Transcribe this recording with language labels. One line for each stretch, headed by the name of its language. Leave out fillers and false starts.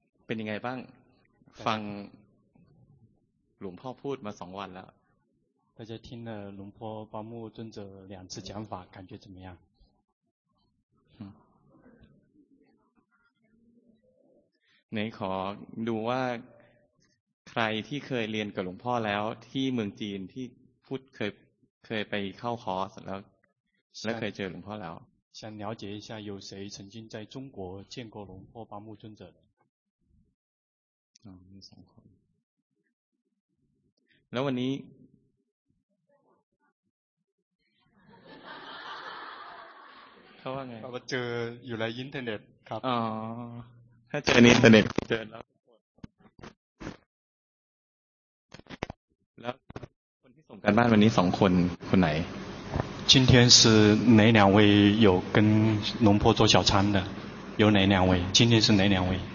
Thai: นยังไงบ้างฟังหลวงพ่อพูดมา2วันแล้ว
Chinese: 大家听了龙坡巴木尊者两次讲法感觉怎么样
Thai: ไหนขอดูว่าใครที่เคยเรียนกับหลวงพ่อแล้วที่เมืองจีนที่พูดเคยไปเข้าคอร์สแล้วเคยเจอหลวงพ่อแล้ว
Chinese: 想了解一下有谁曾经在中国见过龙坡巴木尊者
Thai: มี2คนแล้ววันนี้เขาว่าไง เจออยู่ในอินเทอร์เน็ตครับ อ๋อถ้าเจอในอินเทอร์เน็ตเจอแล้วคนที่ส่งกันบ้านวันนี้2คนคนไหน
Chinese: 今天是哪两位有跟龙坡做小餐的有哪两位今天是哪两位